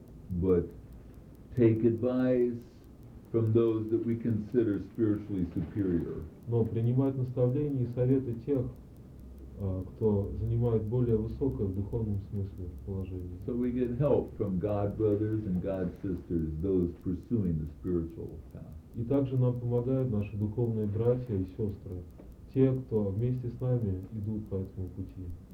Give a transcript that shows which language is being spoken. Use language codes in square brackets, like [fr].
[en] But take advice from those that we consider spiritually superior. [ru] Но принимать наставления и советы тех, кто занимает более высокое в духовном смысле положение. [en] So we get help from God brothers and God sisters, those pursuing the spiritual path. [ru] И также нам помогают наши духовные братья и сестры, те, кто вместе с нами идут по этому пути.